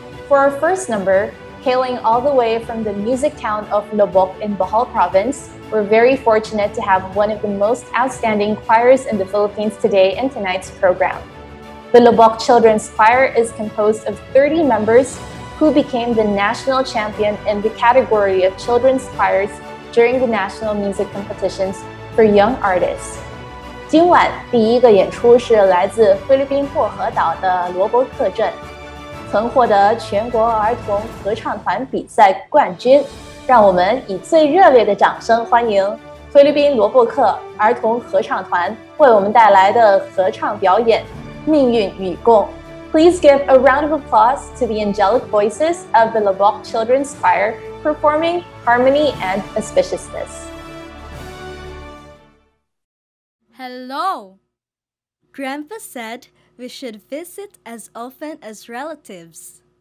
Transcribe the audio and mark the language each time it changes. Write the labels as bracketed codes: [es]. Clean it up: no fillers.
[en] For our first number,Hailing all the way from the music town of Lubok in Bohol Province, we're very fortunate to have one of the most outstanding choirs in the Philippines today in tonight's program. The Lubok Children's Choir is composed of 30 members who became the national champion in the category of children's choirs during the national music competitions for young artists. [zh] 今晚第一个演出是来自菲律宾薄荷岛的罗伯克镇。曾获得全国儿童合唱团比赛冠军，让我们以最热烈的掌声欢迎菲律宾罗伯克儿童合唱团为我们带来的合唱表演《命运与共》。 [en] Please give a round of applause to the angelic voices of the Lobok Children's Choir performing Harmony and Auspiciousness. Hello! Grandpa said we should visit as often as relatives.